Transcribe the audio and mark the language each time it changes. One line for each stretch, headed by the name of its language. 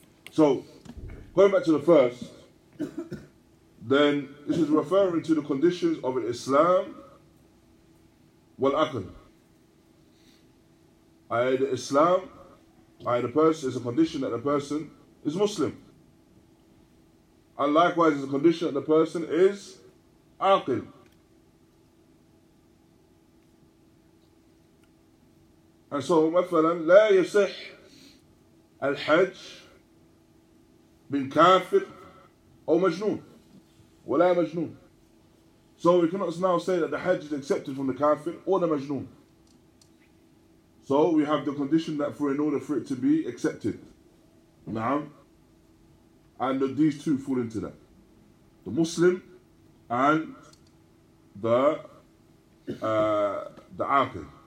English: So, going back to the first, then this is referring to the conditions of an Islam wal aql. The Islam the person is a condition that the person is Muslim. And likewise, it's a condition that the person is aqil. And so,
Arabic: مثلاً, لا يصح الحج من كافر أو مجنون. ولا مجنون.
English: So we cannot now say that the Hajj is accepted from the kafir or the majnoon. So we have the condition that for in order for it to be accepted. Na'am. And these two fall into that. The Muslim and the aqil.